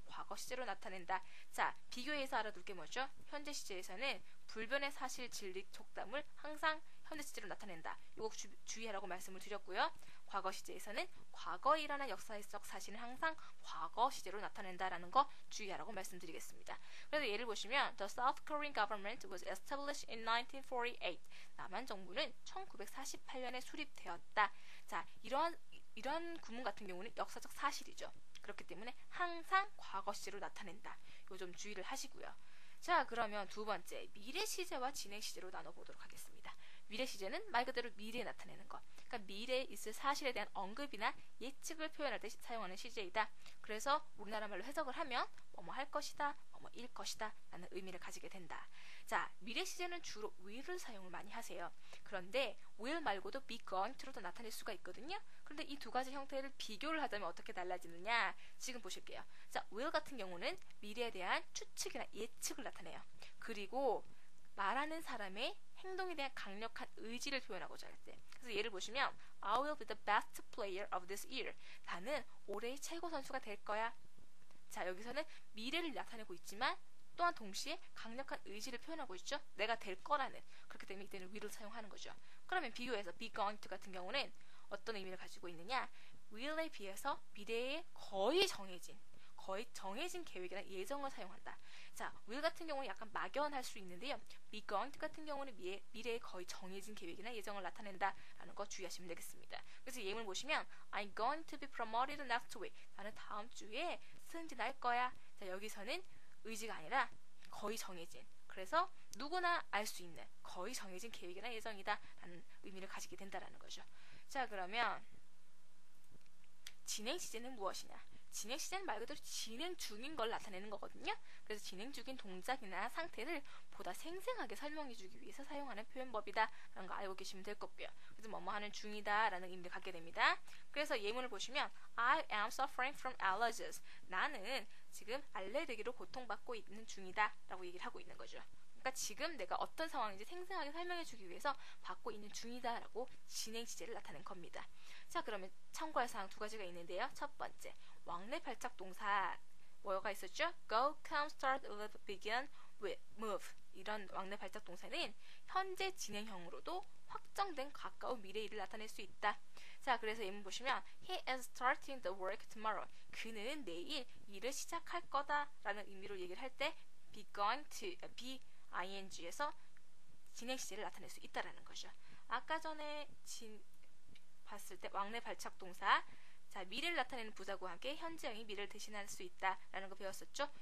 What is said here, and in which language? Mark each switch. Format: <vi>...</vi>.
<ko>과거 시제로 나타낸다. 자, 비교해서 알아둘 게 뭐죠? 현재 시제에서는 불변의 사실, 진리, 속담을 항상 현재 시제로 나타낸다. 이거 주의하라고 말씀을 드렸고요. 과거 시제에서는 과거이라는 역사의 속 사실은 항상 과거 시제로 나타낸다라는 거 주의하라고 말씀드리겠습니다. 그래서 예를 보시면</ko> <en>The South Korean government was established in 1948.</en> <ko>남한 정부는 1948년에 수립되었다. 자, 이런 구문 같은 경우는 역사적 사실이죠. 그렇기 때문에 항상 과거 시제로 나타낸다. 요 좀 주의를 하시고요. 자, 그러면 두 번째, 미래 시제와 진행 시제로 나눠보도록 하겠습니다. 미래 시제는 말 그대로 미래에 나타내는 것. 그러니까 미래에 있을 사실에 대한 언급이나 예측을 표현할 때 사용하는 시제이다. 그래서 우리나라 말로 해석을 하면 뭐뭐 할 것이다, 뭐뭐 일 것이다 라는 의미를 가지게 된다. 자, 미래 시제는 주로 will을 사용을 많이 하세요. 그런데 will 말고도 be going to로도 나타낼 수가 있거든요. 그런데 이 두 가지 형태를 비교를 하자면 어떻게 달라지느냐? 지금 보실게요. 자, will 같은 경우는 미래에 대한 추측이나 예측을 나타내요. 그리고 말하는 사람의 행동에 대한 강력한 의지를 표현하고자 할 때. 그래서 예를 보시면</ko> <en>I will be the best player of this year.</en> <ko>나는 올해의 최고 선수가 될 거야. 자, 여기서는 미래를 나타내고 있지만 또한 동시에 강력한 의지를 표현하고 있죠. 내가 될 거라는. 그렇기 때문에 이때는 will을 사용하는 거죠. 그러면 비교해서 be going to 같은 경우는 어떤 의미를 가지고 있느냐. will에 비해서 미래에 거의 정해진 계획이나 예정을 사용한다. 자, will 같은 경우는 약간 막연할 수 있는데요. be going to 같은 경우는 미래에 거의 정해진 계획이나 예정을 나타낸다라는 거 주의하시면 되겠습니다. 그래서 예문을 보시면</ko> <en>I'm going to be promoted next week.</en> <ko>나는 다음 주에 승진할 거야. 자, 여기서는 의지가 아니라 거의 정해진, 그래서 누구나 알 수 있는 거의 정해진 계획이나 예정이다 라는 의미를 가지게 된다라는 거죠. 자, 그러면 진행시제는 무엇이냐. 진행시제는 말 그대로 진행 중인 걸 나타내는 거거든요. 그래서 진행 중인 동작이나 상태를 보다 생생하게 설명해주기 위해서 사용하는 표현법이다 라는 거 알고 계시면 될 것고요. 그래서 뭐뭐 하는 중이다 라는 의미를 갖게 됩니다. 그래서 예문을 보시면</ko> <en>I am suffering from allergies.</en> <ko>나는 지금 알레르기로 고통받고 있는 중이다 라고 얘기를 하고 있는 거죠. 그러니까 지금 내가 어떤 상황인지 생생하게 설명해주기 위해서 받고 있는 중이다 라고 진행시제를 나타낸 겁니다. 자, 그러면 참고할 사항 두 가지가 있는데요. 첫 번째, 왕래 발작 동사 뭐가 있었죠?</ko> <en>Go, come, start, live, begin, with, move.</en> <ko>이런 왕래 발작 동사는 현재 진행형으로도 확정된 가까운 미래 일을 나타낼 수 있다. 자, 그래서 예문 보시면</ko> <en>He is starting the work tomorrow.</en> <ko>그는 내일 일을 시작할 거다 라는 의미로 얘기를 할 때 be going to, be ing에서 진행시제를 나타낼 수 있다라는 거죠. 아까 전에 봤을 때 왕래 발착 동사, 자, 미래를 나타내는 부사구와 함께 현재형이 미래를 대신할 수 있다라는 거 배웠었죠.</ko>